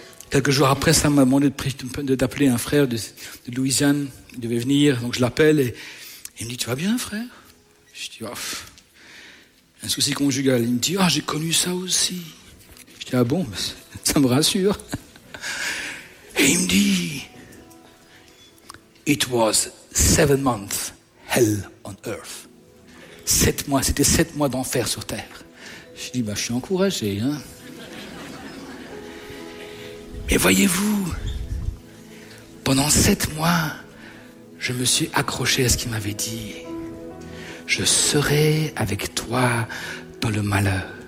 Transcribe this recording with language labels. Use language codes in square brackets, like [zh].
[fr] Quelques jours après, ça m'a demandé d'appeler un frère de Louisiane. Il devait venir, donc je l'appelle et il me dit, tu vas bien frère? Je dis, oh, un souci conjugal. Il me dit, j'ai connu ça aussi. Je dis, ah bon, ça me rassure. Et il me dit, [en] it was 7 months hell on earth. [fr] 7 mois, c'était 7 mois d'enfer sur terre. Je dis, je suis encouragé. Hein. Mais voyez-vous, pendant 7 mois, je me suis accroché à ce qu'il m'avait dit. Je serai avec toi dans le malheur.